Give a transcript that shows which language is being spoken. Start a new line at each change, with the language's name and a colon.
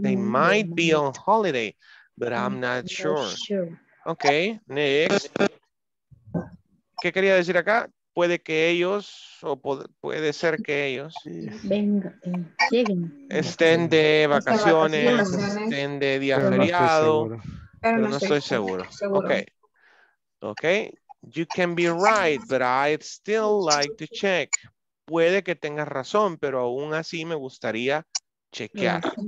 English: They might be on holiday, but I'm not sure. Okay, next.
Spanish: ¿Qué quería decir acá? Puede que ellos, o puede ser que ellos lleguen. Estén de vacaciones, estén de día feriado, pero no estoy seguro. Okay.
English: You can be right, but I'd still like to check.
Spanish: Puede que tengas razón, pero aún así me gustaría chequear.